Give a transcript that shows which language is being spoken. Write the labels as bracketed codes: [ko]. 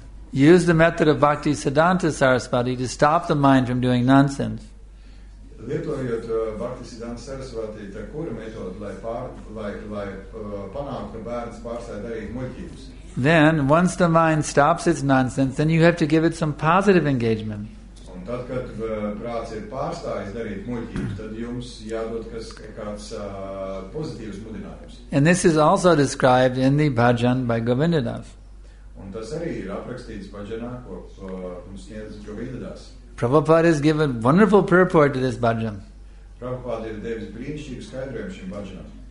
[en] Use the method of Bhakti Siddhanta Sarasvati to stop the mind from doing nonsense. Then once the mind stops its nonsense, then you have to give it some positive engagement. [lv] Tad, kad prāts ir pārstājis darīt muļķības, tad jums jādod kāds pozitīvs mudinājums. [en] And this is also described in the bhajan by Govindadas. [lv] Un tas arī ir aprakstīts bhajanā, ko mums sniedz Govindadas. [en] Prabhupāda has given wonderful purport to this bhajan. [lv] Prabhupāda ir devis brīnišķīgu skaidrojumu šim bhajanam.